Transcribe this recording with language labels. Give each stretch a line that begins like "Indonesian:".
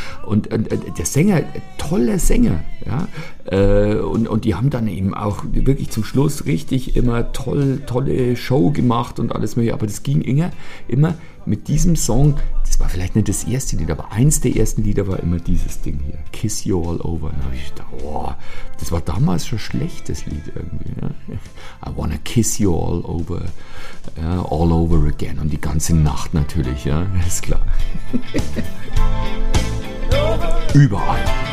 German: Und der Sänger, toller Sänger. Ja? Und die haben dann eben auch wirklich zum Schluss richtig immer tolle Show gemacht und alles mögliche. Aber das ging immer mit diesem Song, das war vielleicht nicht das erste Lied, aber eins der ersten Lieder war immer dieses Ding hier, Kiss You All Over. Und da habe ich gedacht, boah, das war damals schon ein schlechtes Lied irgendwie. Ja?
English: I wanna kiss you all over, all over again.
German: Und die ganze Nacht natürlich, ja, ist klar. Überall.